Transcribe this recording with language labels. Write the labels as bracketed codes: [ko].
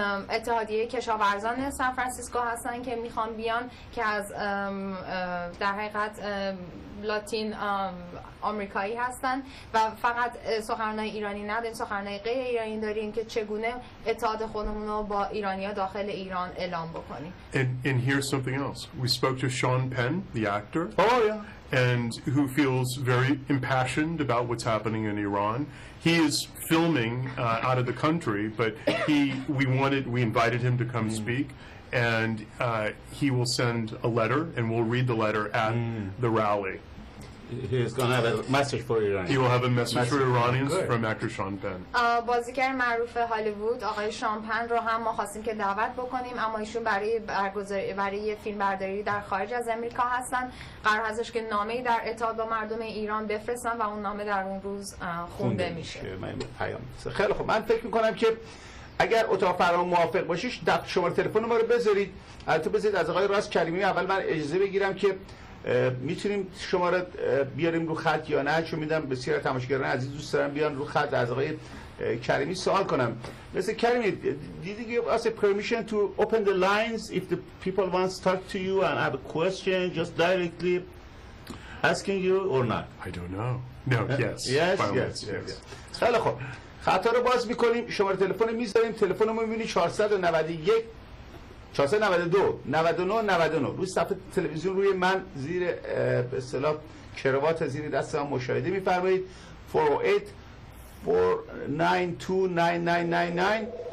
[fa] اتحادیه کشاورزان سان فرانسیسکو هستن که میخوان بیان که از در حقیقت لاتین آمریکایی هستن و فقط سخنرانای ایرانی نداریم، سخنرانای غیر ایرانی داریم که چگونه اتحاد خودمون رو با ایرانی ها داخل ایران اعلام بکنیم. [en] And here's something else. We spoke to Sean Penn, the actor. Oh yeah. And who feels very impassioned about what's happening in Iran. He is filming out of the country, but we invited him to come speak, and he will send a letter, and we'll read the letter at the rally. He is going to have a message for Iranians. He will have a message for Iranians from actor Sean Penn. [fa] بازیگر معروف هالیوود آقای شان پن رو هم ما خواستیم که دعوت بکنیم، اما ایشون برای فیلم برداری در خارج از امریکا هستن. قرار هستش که نامه‌ای در اتحاد با مردم ایران بفرستن و اون نامه در اون روز خونده میشه. خیلی خوب، من فکر میکنم که اگر اتاق فرمان موافق باشیش شماره تلفن ما رو بذارید. البته بذارید از آقای راست کریمی اول من اجازه بگیرم که میتونیم شما را بیاریم رو خط یا نه، چون میدم بسیار تماشاگران عزیز دوست دارم بیان رو خط از آقای کریمی سوال کنم. [en] مثل کریمی did you give us a permission to open the lines if the people want to talk to you and have a question just directly asking you or not? I don't know. No, yes. Yes. [fa] خیلی خوب، خطا رو باز میکنیم، شماره تلفن رو میذاریم، تلفن رو میبینی 491 692 99 99 روی صفحه تلویزیون روی من زیر به اصطلاح کروات زیر دست هم مشاهده می‌فرمایید 408 492 9999.